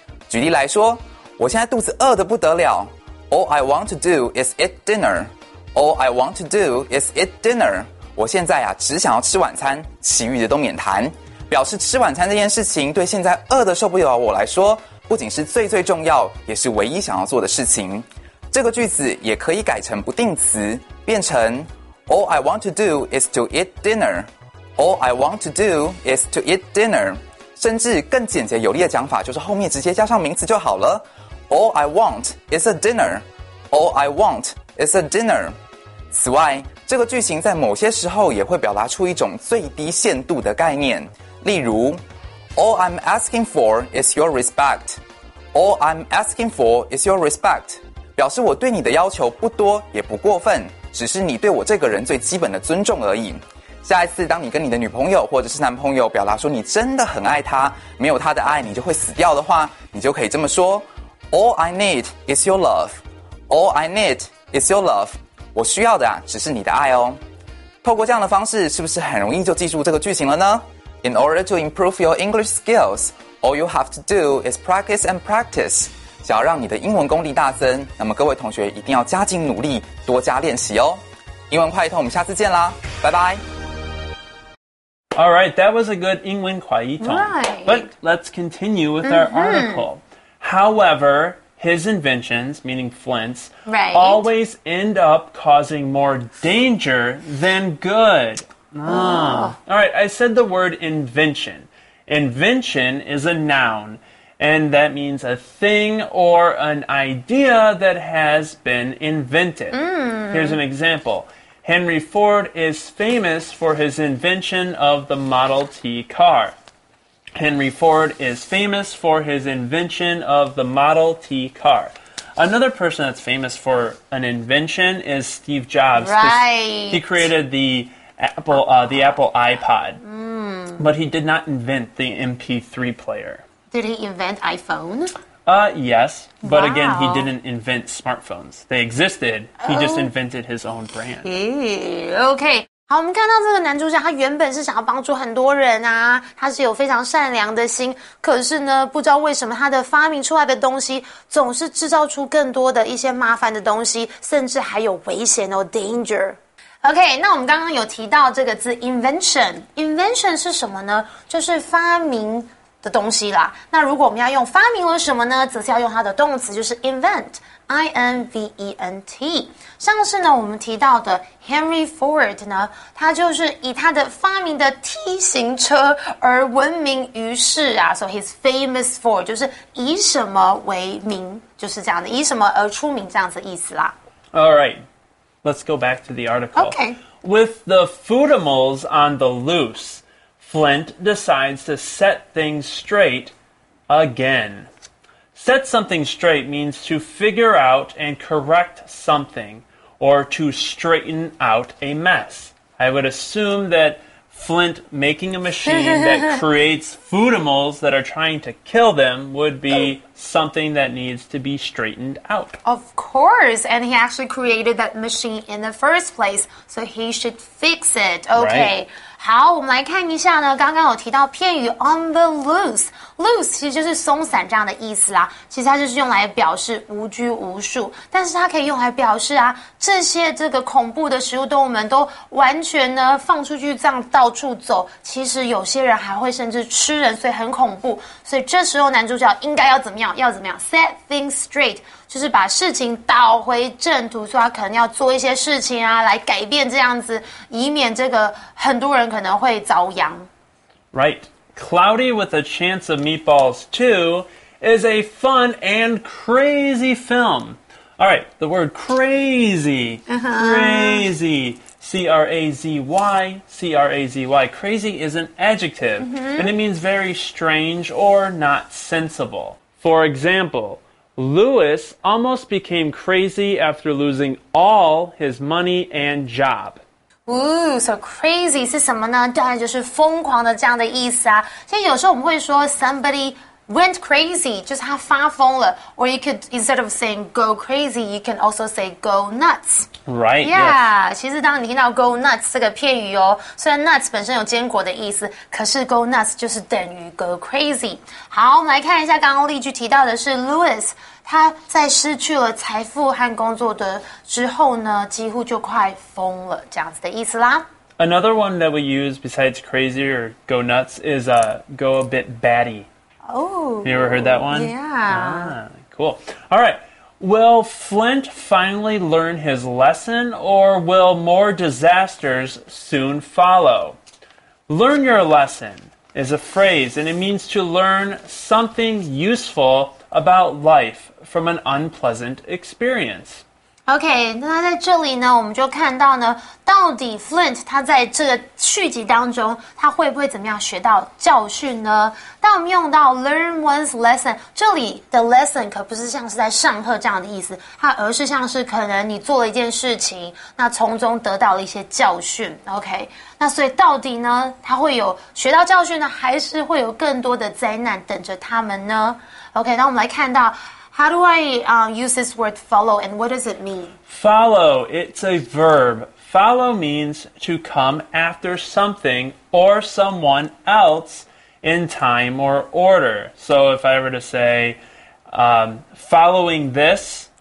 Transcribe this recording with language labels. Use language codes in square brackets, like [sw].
[zh] 举例来说，我现在肚子饿得不得了， [en] All I want to do is eat dinner， [zh] All I want to do is eat dinner， 我现在啊只想要吃晚餐，其余的都免谈，表示吃晚餐这件事情对现在饿得受不了我来说，不仅是最最重要，也是唯一想要做的事情。这个句子也可以改成不定词，变成 [en] All I want to do is to eat dinner， All I want to do is to eat dinner。 [zh] 甚至更简洁有力的讲法就是后面直接加上名词就好了， [en] All I want is a dinner， All I want is a dinner。 [zh] 此外，这个句型在某些时候也会表达出一种最低限度的概念，例如 [en] All I'm asking for is your respect， [zh] All I'm asking for is your respect， 表示我对你的要求不多也不过分，只是你对我这个人最基本的尊重而已。下一次当你跟你的女朋友或者是男朋友表达说你真的很爱他，没有他的爱你就会死掉的话，你就可以这么说， [en] All I need is your love， [zh] All I need is your love， 我需要的只是你的爱哦。透过这样的方式，是不是很容易就记住这个句型了呢？ [en] In order to improve your English skills, all you have to do is practice and practice， [zh] 想要让你的英文功力大增，那么各位同学一定要加紧努力，多加练习哦。英文快一通，我们下次见啦，拜拜。 [en] All right, that was a good 英文快译通. Right. But let's continue with our article. However, his inventions, meaning Flint's, always end up causing more danger than good. All right, I said the word invention. Invention is a noun, and that means a thing or an idea that has been invented. Here's an example. Henry Ford is famous for his invention of the Model T car. Henry Ford is famous for his invention of the Model T car. Another person that's famous for an invention is Steve Jobs. Right. He created the Apple iPod. But he did not invent the MP3 player. Did he invent iPhone? Yes, but again, he didn't invent smartphones. They existed. He just invented his own brand. Okay. [zh] 好，我们看到这个男主角，他原本是想要帮助很多人啊，他是有非常善良的心。可是呢，不知道为什么他的发明出来的东西总是制造出更多的一些麻烦的东西，甚至还有危险哦 ，danger。 OK， 那我们刚刚有提到这个字 invention， invention 是什么呢？就是发明。的东西啦，那如果我们要用发明了什么呢，则是要用它的动词，就是 invent， I-N-V-E-N-T。上次呢我们提到的 Henry Ford 呢，他就是以他的发明的 T 型车而闻名于世啊， [en] so he's famous for [zh] 就是以什么为名，就是这样的，以什么而出名，这样子的意思啦。 [en] Alright, let's go back to the article. Okay. With the foodimals on the looseFlint decides to set things straight again. Set something straight means to figure out and correct something or to straighten out a mess. I would assume that Flint making a machine that creates foodimals that are trying to kill them would be something that needs to be straightened out. Of course, and he actually created that machine in the first place, so he should fix it. Okay.、 Right. [zh] 好，我们来看一下呢，刚刚有提到片语 [en] on the loose， [zh] loose 其实就是松散这样的意思啦，其实它就是用来表示无拘无束，但是它可以用来表示啊，这些这个恐怖的食物动物们都完全呢放出去这样到处走，其实有些人还会甚至吃人，所以很恐怖，所以这时候男主角应该要怎么样，要怎么样 [en] set things straight， [zh] 就是把事情倒回正途，所以他可能要做一些事情啊来改变这样子，以免这个很多人可能会遭殃。 [en] Right. Cloudy with a Chance of Meatballs 2 is a fun and crazy film. All right, the word crazy, crazy C-R-A-Z-Y, C-R-A-Z-Y. Crazy is an adjective,、mm-hmm. and it means very strange or not sensible. For example, Lewis almost became crazy after losing all his money and job. [zh] Ooh, so crazy 是什么呢？当然就是疯狂的这样的意思啊。所以有时候我们会说 [en] somebody went crazy, [zh] 就是他发疯了。 [en] Or you could, instead of saying go crazy, you can also say go nuts. Right, yeah, yes. [zh] 其实当你听到 go nuts 这个片语哦，虽然 nuts 本身有坚果的意思，可是 go nuts 就是等于 go crazy. 好，我们来看一下刚刚例句提到的是 Lewis. 他在失去了财富和工作的之后呢，几乎就快疯了，这样子的意思啦。 [en] Another one that we use besides crazy or go nuts is go a bit batty. Oh, you ever heard that one? Yeah. Ah, cool. All right. Will Flint finally learn his lesson, or will more disasters soon follow? Learn your lesson is a phrase, and it means to learn something useful. About life from an unpleasant experience. [zh] Okay, 那在这里呢，我们就看到呢，到底 Flint 他在这个续集当中，他会不会怎么样学到教训呢？当我们用到 [en] learn one's lesson， [zh] 这里的 lesson 可不是像是在上课这样的意思，它而是像是可能你做了一件事情，那从中得到了一些教训。 Okay， 那所以到底呢，他会有学到教训呢，还是会有更多的灾难等着他们呢？ [en] Okay, [zh] 那我们来看到 [en] how do I、use this word follow and what does it mean? Follow, it's a verb. Follow means to come after something or someone else in time or order. So if I were to say、following this、